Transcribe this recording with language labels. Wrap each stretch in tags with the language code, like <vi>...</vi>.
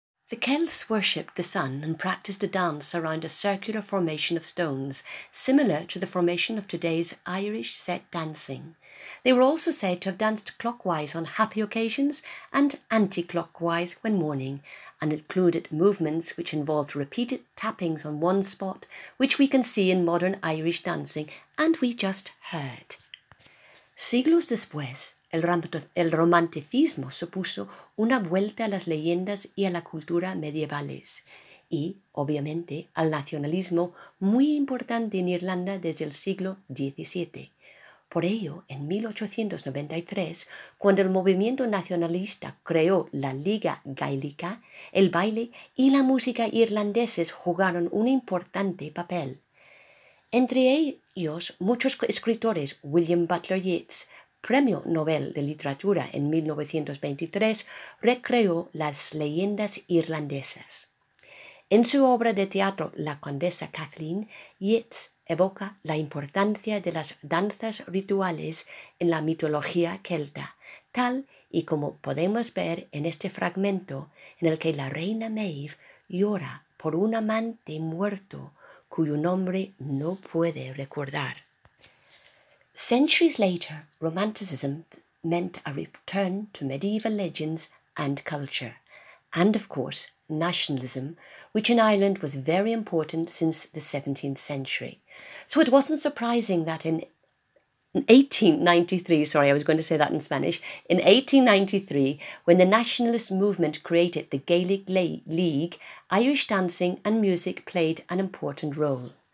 <en>The Celts worshipped the sun and practiced a dance around a circular formation of stones, similar to the formation of today's Irish set dancing. They were also said to have danced clockwise on happy occasions and anti-clockwise when mourning, and included movements which involved repeated tappings on one spot, which we can see in modern Irish dancing, and we just heard.</en> <es>Siglos después, el romanticismo supuso una vuelta a las leyendas y a la cultura medievales y, obviamente, al nacionalismo muy importante en Irlanda desde el siglo XVII. Por ello, en 1893, cuando el movimiento nacionalista creó la Liga Gaélica, el baile y la música irlandeses jugaron un importante papel. Entre ellos, muchos escritores, William Butler Yeats, Premio Nobel de Literatura en 1923, recreó las leyendas irlandesas. En su obra de teatro La Condesa Kathleen, Yeats evoca la importancia de las danzas rituales en la mitología celta, tal y como podemos ver en este fragmento en el que la reina Maeve llora por un amante muerto cuyo nombre no puede recordar.</es> <en>Centuries later, Romanticism meant a return to medieval legends and culture, and of course, nationalism, which in Ireland was very important since the 17th century. So it wasn't surprising that in 1893, sorry, I was going to say that in Spanish, in 1893, when the nationalist movement created the Gaelic League, Irish dancing and music played an important role.</en>